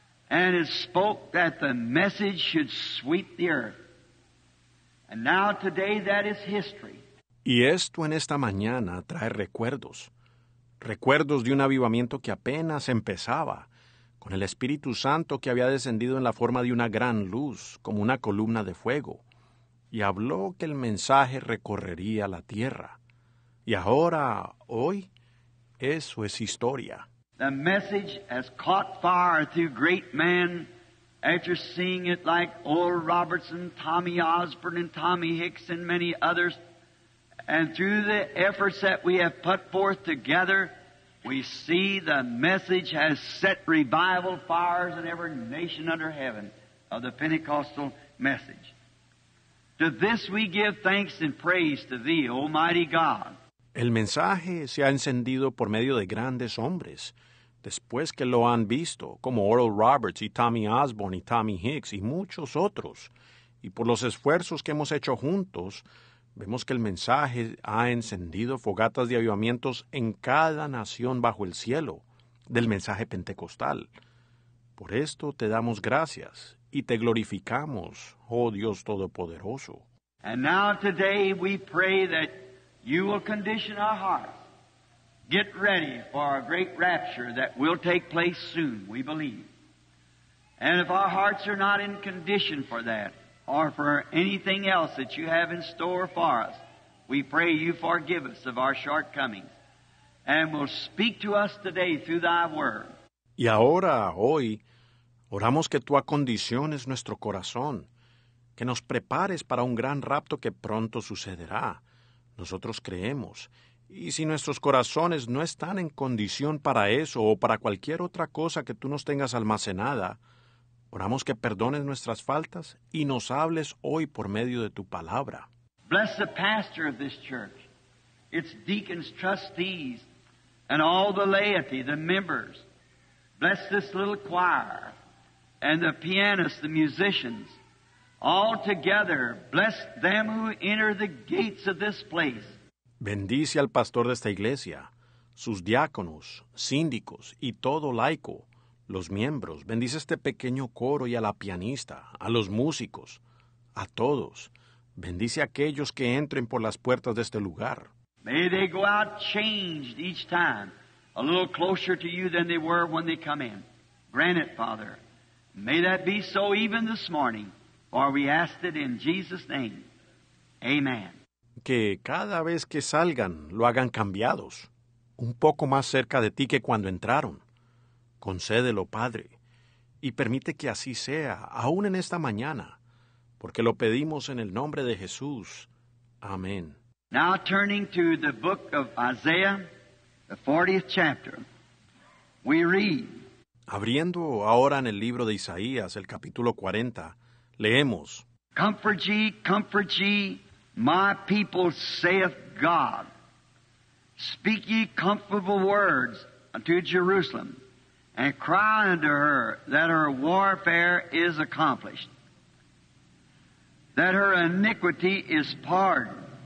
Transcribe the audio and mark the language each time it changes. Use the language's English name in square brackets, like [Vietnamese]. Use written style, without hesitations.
[English] And it spoke that the message should sweep the earth. And now today that is history. [Spanish] Y esto en esta mañana trae recuerdos. Recuerdos de un avivamiento que apenas empezaba, con el Espíritu Santo que había descendido en la forma de una gran luz, como una columna de fuego. Y habló que el mensaje recorrería la tierra. Y ahora, hoy, eso es historia. [English] The message has caught fire through great men after seeing it like Oral Robertson, Tommy Osborne, and Tommy Hicks, and many others. And through the efforts that we have put forth together, we see the message has set revival fires in every nation under heaven of the Pentecostal message. To this we give thanks and praise to Thee, Almighty God. [Spanish] El mensaje se ha encendido por medio de grandes hombres, después que lo han visto, como Oral Roberts y Tommy Osborne y Tommy Hicks y muchos otros. Y por los esfuerzos que hemos hecho juntos, vemos que el mensaje ha encendido fogatas de avivamientos en cada nación bajo el cielo del mensaje pentecostal. Por esto te damos gracias. Y te glorificamos, oh Dios Todopoderoso. [English] And now today we pray that you will condition our hearts. Get ready for a great rapture that will take place soon, we believe. And if our hearts are not in condition for that, or for anything else that you have in store for us, we pray you forgive us of our shortcomings. And will speak to us today through thy word. [Spanish] Y ahora, hoy, oramos que tú acondiciones nuestro corazón, que nos prepares para un gran rapto que pronto sucederá. Nosotros creemos. Y si nuestros corazones no están en condición para eso o para cualquier otra cosa que tú nos tengas almacenada, oramos que perdones nuestras faltas y nos hables hoy por medio de tu palabra. [English] Bless the pastor of this church, its deacons, trustees, and all the laity, the members. Bless this little choir. And the pianists, the musicians, all together, bless them who enter the gates of this place. [Spanish] Bendice al pastor de esta iglesia, sus diáconos, síndicos y todo laico, los miembros. Bendice este pequeño coro y a la pianista, a los músicos, a todos. Bendice a aquellos que entren por las puertas de este lugar. [English] May they go out changed each time, a little closer to you than they were when they come in. Grant it, Father. May that be so even this morning, for we ask it in Jesus' name. Amen. [Spanish] Que cada vez que salgan, lo hagan cambiados, un poco más cerca de ti que cuando entraron. Concédelo, Padre, y permite que así sea, aún en esta mañana, porque lo pedimos en el nombre de Jesús. Amén. [English] Now turning to the book of Isaiah, the 40th chapter, we read, [Spanish] abriendo ahora en el libro de Isaías, el capítulo 40, leemos: [English] comfort ye, my people, saith God. Speak ye comfortable words unto Jerusalem, and cry unto her that her warfare is accomplished, that her iniquity is pardoned.